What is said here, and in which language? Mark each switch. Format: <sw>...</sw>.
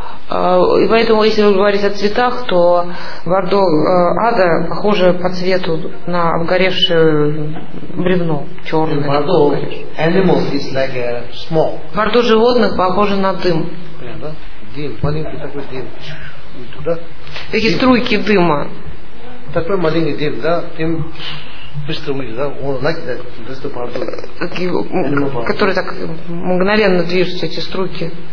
<ru>И поэтому, если говорить о цветах, то Бордо ада похоже по цвету на обгоревшее бревно, черное.</ru> <en>Бордо animals is like a smoke.</en> <ru>Бордо животных похоже на дым. Да, дым, маленький такой дым. Туда. Такие струйки дыма. Такой маленький дым, да, дым быстро выйдет, да, он like that, that's the Бордо. Который так мгновенно движутся, эти струйки.</ru>